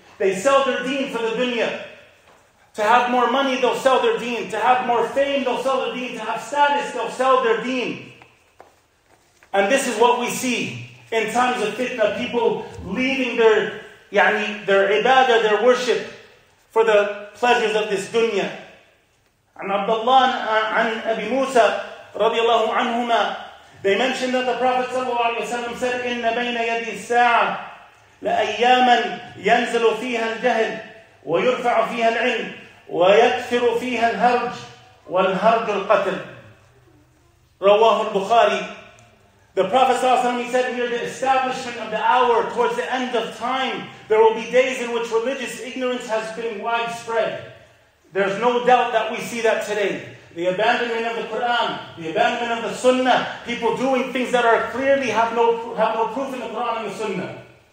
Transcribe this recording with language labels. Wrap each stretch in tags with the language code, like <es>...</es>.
<en>They sell their deen for the dunya. To have more money, they'll sell their deen. To have more fame, they'll sell their deen. To have status, they'll sell their deen. And this is what we see in times of fitna, people leaving their ibadah, their worship, for the pleasures of this dunya.</en> <ar>عن عبد الله عن أبي موسى رضي الله عنهما.</ar> <en>They mentioned that the Prophet صلى الله عليه وسلم said,</en> <ar>إن بين يدي الساعة لأياما ينزل فيها الجهل ويرفع فيها العلم ويكثر فيها الهرج والهرج القتل. رواه البخاري.</ar> <en>The Prophet صلى الله عليه وسلم, he said here, the establishment of the hour towards the end of time, there will be days in which religious ignorance has been widespread. There's no doubt that we see that today. The abandonment of the Quran, the abandonment of the Sunnah, people doing things that are clearly have no proof in the Quran and the Sunnah.</en>